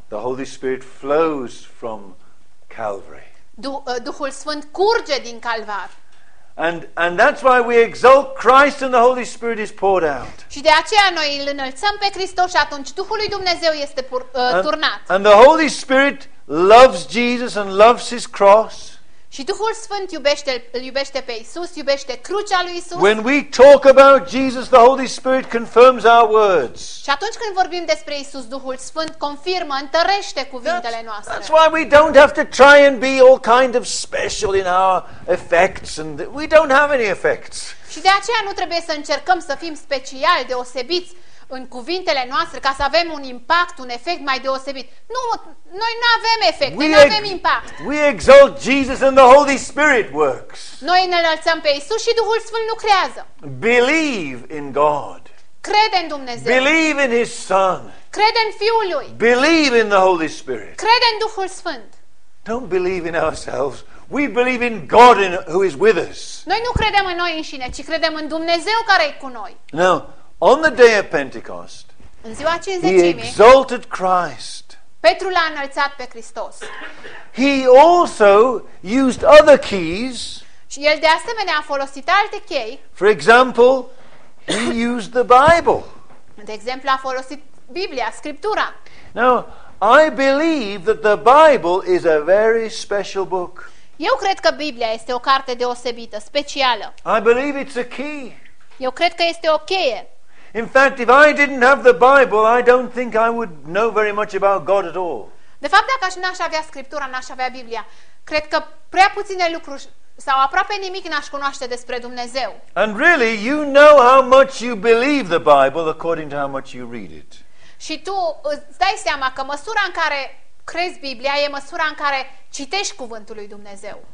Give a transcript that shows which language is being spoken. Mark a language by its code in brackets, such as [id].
[en] The Holy Spirit flows from Calvary. [ro] Duhul Sfânt curge din Calvar. [en] And that's why we exalt Christ and the Holy Spirit is poured out. [ro] Și de aceea noi îl înălțăm pe Hristos și atunci Duhul lui Dumnezeu este turnat. [en] And the Holy Spirit loves Jesus and loves his cross. [ro] Și Duhul Sfânt iubește pe Isus, iubește crucea lui Isus. [en] When we talk about Jesus, the Holy Spirit confirms our words. [ro] Și atunci când vorbim despre Isus, Duhul Sfânt confirmă, întărește cuvintele noastre. [en] That's why we don't have to try and be all kind of special in our effects, and we don't have any effects. [ro] Și de aceea nu trebuie să încercăm să fim speciali, deosebiți în cuvintele noastre ca să avem un impact, un efect mai deosebit. Nu, noi nu avem efect, noi nu avem impact. [en] We exalt Jesus and the Holy Spirit works. [ro] Noi ne înălțăm pe Isus și Duhul Sfânt lucrează. [en] Believe in God. [ro] Crede în Dumnezeu. [en] Believe in his son. [ro] Crede în Fiul lui. [en] Believe in the Holy Spirit. [ro] Crede în Duhul Sfânt. [en] Don't believe in ourselves. We believe in God in who is with us. [ro] Noi nu credem în noi înșine, ci credem în Dumnezeu care e cu noi. [en] No. On the day of Pentecost, [ro] în ziua cinzecimii, [en] he exalted Christ. [ro] Petru l-a înălțat pe Hristos. [en] He also used other keys. [ro] Și el de asemenea a folosit alte chei. [en] For example, he used the Bible. [ro] De exemplu, a folosit Biblia, Scriptura. [en] Now, I believe that the Bible is a very special book. [ro] Eu cred că Biblia este o carte deosebită, specială. [en] I believe it's a key. [ro] Eu cred că este o cheie. [en] In fact, if I didn't have the Bible, I don't think I would know very much about God at all. [ro] De fapt, dacă n-aș avea Scriptura, n-aș avea Biblia, cred că prea puține lucruri sau aproape nimic n-aș cunoaște despre Dumnezeu. [en] And really, you know how much you believe the Bible according to how much you read it. [ro] Și tu îți dai seama că măsura în care crezi Biblia e măsura în care citești cuvântul lui Dumnezeu.